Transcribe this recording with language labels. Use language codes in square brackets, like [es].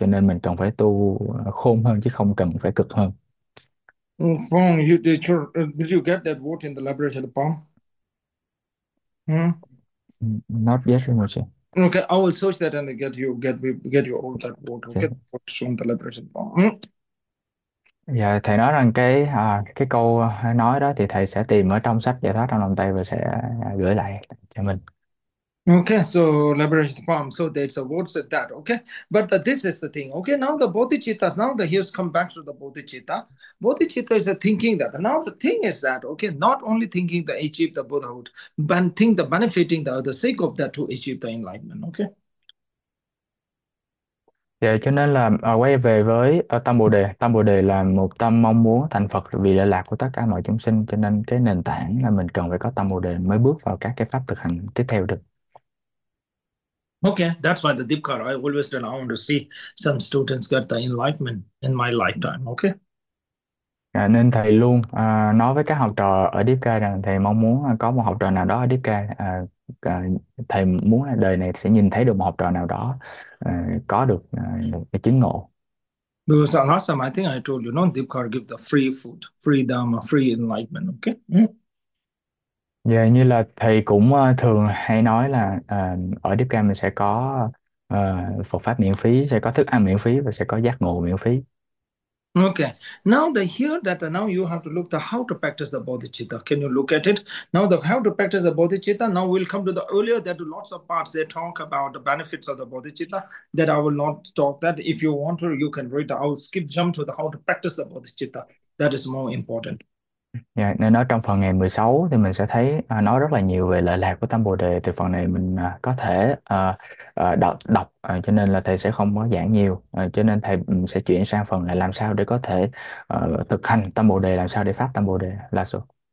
[vi] Cho nên mình cần phải tu khôn hơn chứ không cần phải cực hơn. [en] Phong, did you get that vote in the liberation of the palm? Not yet, Rinpoche. Okay, I will search that and get you all that vote. Okay, vote from the liberation of palm. [vi] Dạ, thầy nói rằng cái câu nói đó thì thầy sẽ tìm ở trong sách giải thoát trong lòng tay và sẽ gửi lại cho mình. [en] Okay, so liberation palm, so there's a word said that, okay? But this is the thing, okay? Now the bodhicittas, now the here's come back to the bodhicitta. Bodhicitta is a thinking that. Now the thing is that, okay, not only thinking to achieve the Buddhahood, but think the benefiting the sake of that to achieve the enlightenment, okay? [vi] Cho nên là quay về với Tâm Bồ Đề. Tâm Bồ Đề là một tâm mong muốn thành Phật vì lợi lạc của tất cả mọi chúng sinh, cho nên cái nền tảng là mình cần phải có Tâm Bồ Đề mới bước vào các cái pháp thực hành tiếp theo được. [en] Okay, that's why the deep card. I always tell, I want to see some students get the enlightenment in my lifetime. Okay. [vi] Nên thầy luôn nói với các học trò ở Deepika rằng thầy mong muốn có một học trò nào đó ở Deepika, thầy muốn là đời này sẽ nhìn thấy được một học trò nào đó có được một cái chứng ngộ. [en] Because last time I think I told you, no, deep card give the free food, free dharma, free enlightenment. Okay. [vi] Như là thầy cũng thường hay nói là ở Deepika mình sẽ có Phật pháp miễn phí, sẽ có thức ăn miễn phí và sẽ có giác ngộ miễn phí. [en] Okay, now the here that now you have to look the how to practice the bodhicitta. Can you look at it? Now the how to practice the bodhicitta. Now we'll come to the earlier that lots of parts they talk about the benefits of the bodhicitta that I will not talk that. If you want to, you can read. I'll skip jump to the how to practice the bodhicitta. That is more important. [vi] Yeah, nên ở trong phần ngày 16 thì mình sẽ thấy nói rất là nhiều về lợi lạc của tâm bồ đề, từ phần này mình có thể đọc đọc cho nên là thầy sẽ không có giảng nhiều, cho nên thầy sẽ chuyển sang phần là làm sao để có thể thực hành tâm bồ đề, làm sao để phát tâm bồ đề là số.